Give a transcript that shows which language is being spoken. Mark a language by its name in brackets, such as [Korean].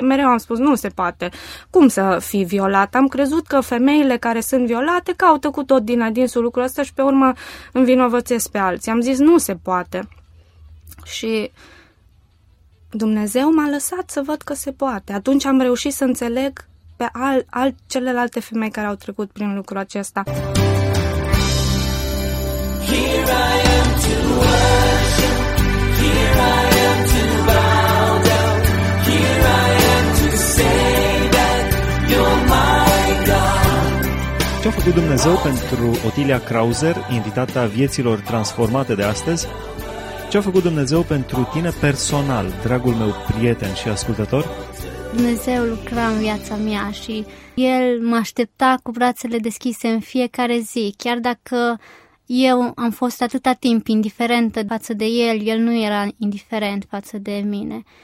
[Romanian] Mereu am spus, nu se poate. Cum să fii violat? Am crezut că femeile care sunt violate caută cu tot din adinsul lucrul ăsta și, pe urmă, învinovățesc pe alții. Am zis, nu se poate. Și Dumnezeu m-a lăsat să văd că se poate. Atunci am reușit să înțeleg pe celelalte femei care au trecut prin lucrul acesta. [English] Here I am to worship, here I am to bow down, here I am to say that you're my God. [Romanian] Ce-a făcut Dumnezeu pentru Otilia Krauser, invitata vieților transformate de astăzi? Ce-a făcut Dumnezeu pentru tine personal, dragul meu prieten și ascultător? Dumnezeu lucra în viața mea și El mă aștepta cu brațele deschise în fiecare zi, chiar dacă eu am fost atâta timp indiferentă față de El, El nu era indiferent față de mine.